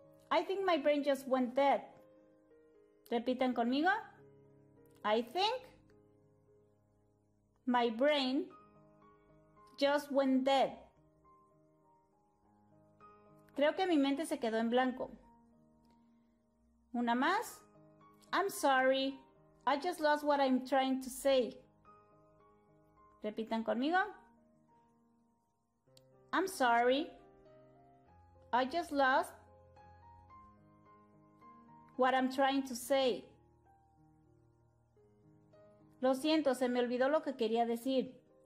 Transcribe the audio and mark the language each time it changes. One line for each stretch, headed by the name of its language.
English: I think my brain just went dead.
Spanish: Repiten conmigo.
English: I think my brain just went dead.
Spanish: Creo que mi mente se quedó en blanco. Una más.
English: I'm sorry. I just lost what I'm trying to say.
Spanish: Repitan conmigo.
English: I'm sorry. I just lost what I'm trying to say.
Spanish: Lo siento, se me olvidó lo que quería decir.